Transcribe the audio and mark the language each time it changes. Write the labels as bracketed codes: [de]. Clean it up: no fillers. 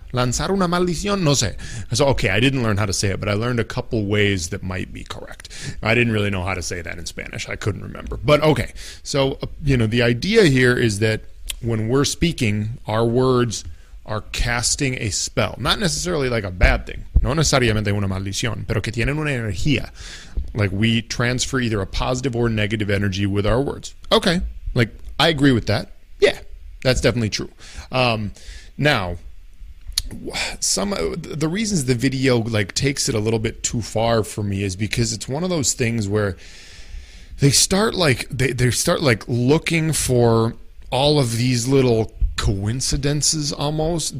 [es] Lanzar una maldición? No sé. [en] So, okay, I didn't learn how to say it, but I learned a couple ways that might be correct. I didn't really know how to say that in Spanish. I couldn't remember. But okay, so, you know, the idea here is that when we're speaking, our words are casting a spell. Not necessarily like a bad thing. [es] No necesariamente una maldición, pero que tienen una energía. [en] Like, we transfer either a positive or negative energy with our words. Okay, like, I agree with that. Yeah, that's definitely true. Now, the reasons the video like takes it a little bit too far for me is because it's one of those things where they start looking for all of these little coincidences almost.